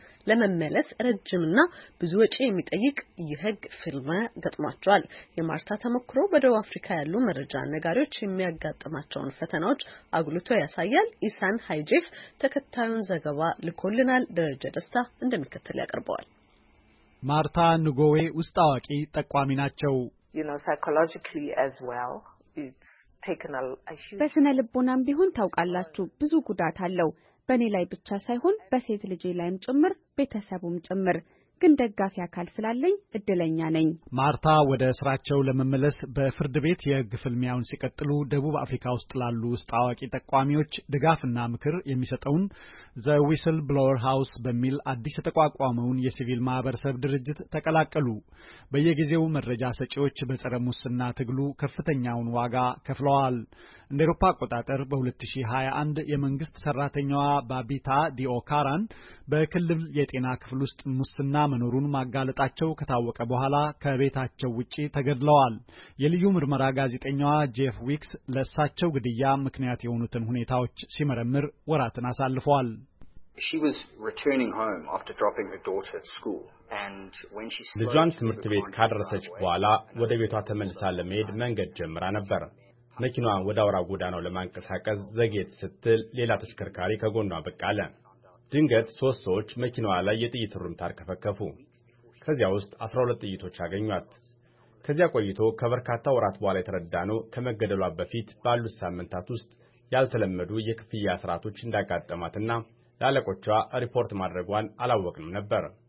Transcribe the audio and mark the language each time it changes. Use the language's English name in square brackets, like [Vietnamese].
[Amharic] ለመመለስ ረጅምና ብዙ ወጪ የሚጠይቅ የህግ ፍልሚያ ገጥሟቸዋል። የማርታ ተመክሮ በደቡብ አፍሪካ ያሉ መረጃ አነጋሪዎች የሚያጋጥማቸውን ፈተናዎች አጉልቶ ያሳያል። ኢሳን ሃይጄፍ ተከታዩን ዘገባ ልኮልናል። ደረጃ ደስታ እንደሚከተል ያቀርበዋል። ማርታ ንጎዌ ውስጥ አዋቂ ተቋሚ ናቸው። [English] You know, psychologically as well, it's taken a huge [Amharic] በስነ ልቦናም ቢሆን ታውቃላችሁ ብዙ ጉዳት አለው። በኔ ላይ ብቻ ሳይሆን በሴት ልጅ ላይም ጭምር በተሰቡም ጭምር ግን ደጋፊ አካል ስላለኝ እድለኛ ነኝ። ማርታ ወደ ስራቸው ለመመለስ በፍርድ ቤት የግፍልሚያውን ሲቀጥሉ ደቡብ አፍሪካ ውስጥ ላሉ ውስጥ አዋቂ ተቋማዎች ድጋፍና ምክር የሚሰጠውን ዘ ዊስል ብሎወር ሃውስ በሚል አዲስ ተቋቋመውን የሲቪል ማህበረሰብ ድርጅት ተቀላቀሉ። በየጊዜው መረጃ ሰጪዎች በጸረ ሙስና ትግሉ ከፍተኛውን ዋጋ ከፍለዋል። እንደ አውሮፓ አቆጣጠር በ2021 የመንግስት ሰራተኛዋ ባቢታ ዲኦካራን በክልል የጤና ክፍል ውስጥ ሙስና መኖሩን ማጋለጣቸው ከታወቀ በኋላ ከቤታቸው ውጪ ተገድለዋል። የልዩ ምርመራ ጋዜጠኛዋ ጄፍ ዊክስ ለሳቸው ግድያ ምክንያት የሆኑትን ሁኔታዎች ሲመረምር ወራትን አሳልፈዋል። [English] She was returning home after dropping her daughter at school and when she [Amharic] spoke ለጃን ትምህርት ቤት ካደረሰች በኋላ ወደ ቤቷ ተመልሳ ለመሄድ መንገድ ጀምራ ነበር። መኪናዋ ወደ አውራ ጎዳናው ለማንቀሳቀስ ዘግየት ስትል ሌላ ተሽከርካሪ ከጎኗ በቃለ። ድንገት ሶስት ሰዎች መኪናዋ ላይ የጥይት ሩምታ ከፈከፉ። ከዚያ ውስጥ 12 ጥይቶች አገኙት። ከዚያ ቆይቶ ከበርካታ ወራት በኋላ የተረዳነው ከመገደሏ በፊት ባሉት ሳምንታት ውስጥ ያልተለመዱ የክፍያ ስርዓቶች እንዳጋጠማትና ለአለቆቿ ሪፖርት ማድረጓን አላወቅንም ነበር።